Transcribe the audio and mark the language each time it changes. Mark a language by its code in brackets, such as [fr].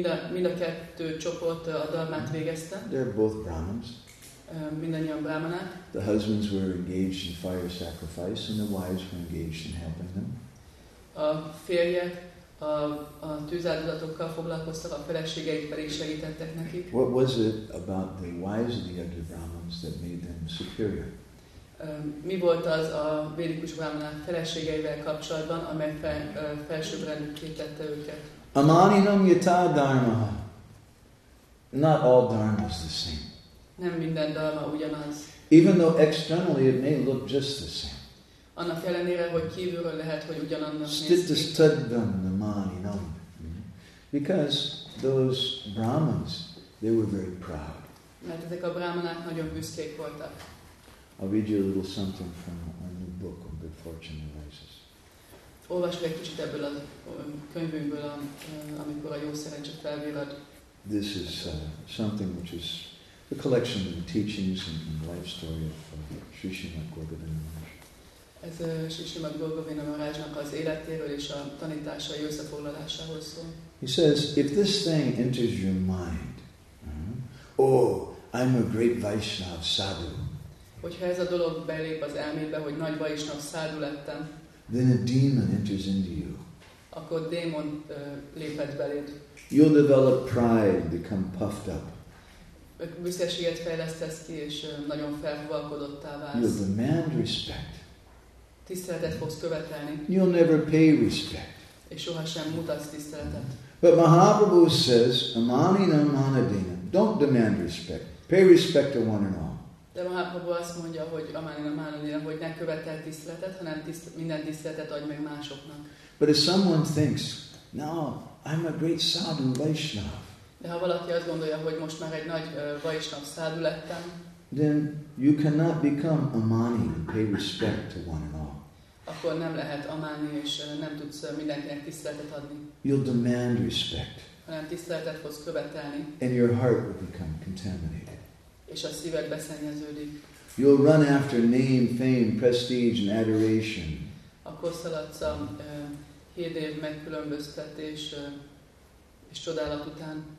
[hu] Mind a kettő csoport a dharmát végezte. [en] They're both Brahmins. [hu] Mindannyian brahmanák. [en] The husbands were engaged in fire sacrifice, and the wives were engaged in helping them. [hu] A férjek a tűzáldozatokkal foglalkoztak, a feleségeik pedig segítettek nekik. [en] What was it about the wives of the other Brahmins that made them superior? [hu] Mi volt az a védikus brahmanák feleségeivel kapcsolatban, amely felsőbbrendűké tette őket? [sa] Amaninam yata dharma. [en] Not all dharma is the same. [hu] Nem minden dharma ugyanaz. [en] Even though externally it may look just the same. [hu] Annak ellenére, hogy kívülről lehet, hogy ugyanannak néz ki. [sa] Stittastaddam amaninam. [en] Because those Brahmins, they were very proud. [hu] Mert ezek a brahmanák nagyon büszkék voltak. [en] I'll read you a little something from a new book on Good Fortune Arises. [hu] Olvasd egy kicsit ebből a könyvünkből, amikor a jó szerencse felvirad. [en] This is something which is a collection of the teachings and life story of Sri Srimad Gaurabinda Maharaj. [hu] Ez Sri Srimad Gaurabinda Maharajnak az életéről és a tanításai összefoglalásához szól. [en] He says, if this thing enters your mind, Oh, I'm a great Vaishnav sadhu. [hu] Hogyha ez a dolog belép az elmébe, hogy nagy Vaishnav sadhu lettem. [en] Then a demon enters into you. [hu] Akkor démon léphet beléd. [en] You'll develop pride, become puffed up. [hu] Büszkeséget fejlesztesz ki, és nagyon felhúvalkodottá válsz. [en] You'll demand respect. [hu] Tiszteletet fogsz követelni. [en] You'll never pay respect. [hu] És sohasem mutatsz tiszteletet. [en] But Mahaprabhu says, amanina manadina, don't demand respect. Pay respect to one and all. [hu] De Mahaprabhu azt mondja, hogy amanina manadina, hogy ne követel tiszteletet, hanem minden tiszteletet adj meg másoknak. [en] But if someone thinks, no, I'm a great sadhu Vaishnav. [hu] De ha valaki azt gondolja, hogy most már egy nagy Vaishnav sadhu lettem, [en] then you cannot become amani and pay respect to one and all. [hu] Akkor nem lehet amani, és nem tudsz mindenkinek tiszteletet adni. [en] You'll demand respect. [hu] Hanem tiszteletet fogsz követelni. [en] And your heart will become contaminated. [hu] És a szíved beszennyeződik. [en] You'll run after name, fame, prestige and adoration. [hu] Akkor szaladsz a hírnév megkülönböztetés és csodálat után.